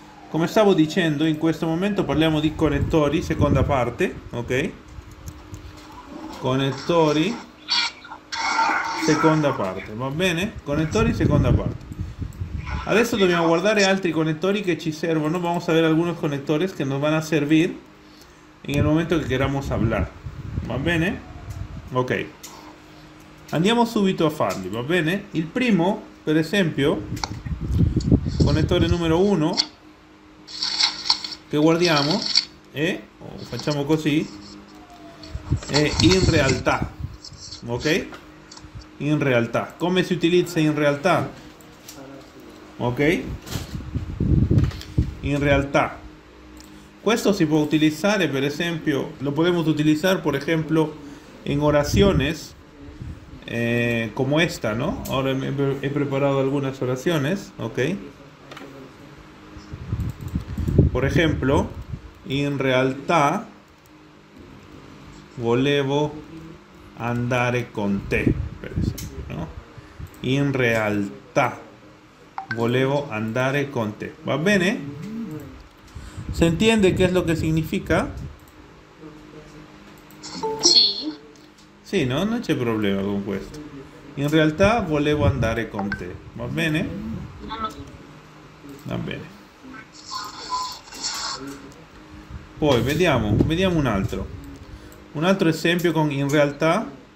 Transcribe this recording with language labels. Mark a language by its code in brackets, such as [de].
[it] Come stavo dicendo, in questo momento parliamo di connettori, seconda parte, ok? Connettori, seconda parte, va bene? Connettori, seconda parte. Adesso dobbiamo guardare altri connettori che ci servono. [es] Vamos a ver algunos conectores que nos van a servir en el momento que queramos hablar. [it] ¿Va bene? Ok. Andiamo subito a farli, ¿va bene? Il primo, per esempio, conettore numero 1 che guardiamo o facciamo così, è in realtà. Ok? In realtà. Come si utilizza in realtà? Ok? In realtà. Questo si può utilizzare, per esempio, lo possiamo utilizzare, per esempio, in orazioni, come questa, no? Ora he preparato alcune orazioni, ok? Per esempio, in realtà volevo andare con te, per esempio, no? In realtà volevo andare con te. ¿Va bene? [es] ¿Se entiende qué es lo que significa? Sí, ¿no? No hay problema con esto. En realidad, [it] volevo andare con te. ¿Va bene? Va bene. Poi, vediamo un altro. Un altro esempio con in realtà.